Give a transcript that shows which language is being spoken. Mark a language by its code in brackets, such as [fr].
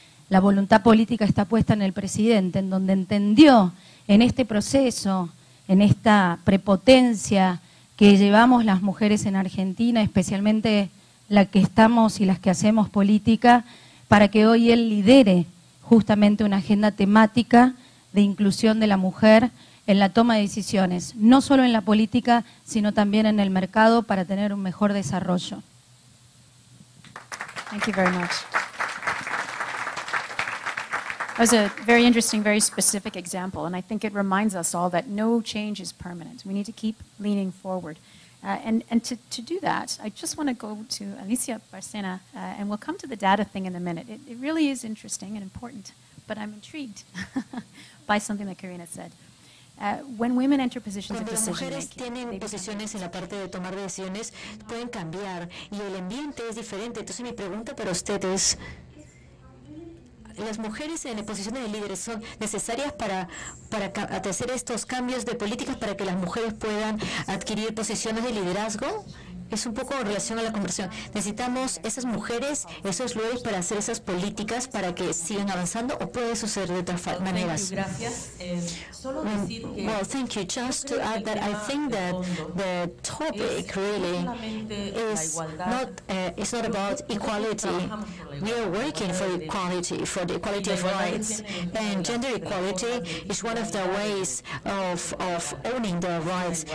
[es] La voluntad política está puesta en el presidente, en donde entendió en este proceso, en esta prepotencia que llevamos las mujeres en Argentina, especialmente la que estamos y las que hacemos política, para que hoy él lidere justamente una agenda temática de inclusión de la mujer en la toma de decisiones, no solo en la política, sino también en el mercado para tener un mejor desarrollo. [en] Thank you very much. That was a very interesting, very specific example, and I think it reminds us all that no change is permanent. We need to keep leaning forward. And to do that, I just want to go to Alicia Barcena, and we'll come to the data thing in a minute. It really is interesting and important, but I'm intrigued by something that Karina said. When women enter positions of decision making, [es] mujeres tienen posiciones en la parte de tomar decisiones, pueden cambiar, y el ambiente es diferente. Entonces, mi pregunta para ustedes, ¿las mujeres en posiciones de líderes son necesarias para hacer estos cambios de políticas para que las mujeres puedan adquirir posiciones de liderazgo? Es un poco en relación a la conversión. ¿Necesitamos esas mujeres, esos lugares para hacer esas políticas para que sigan avanzando o puede suceder de otras maneras? [en] Well, thank you. Just to add that I think that the topic really is not, it's not about equality. We are working for equality, for the equality of rights. And gender equality is one of the ways of owning the rights.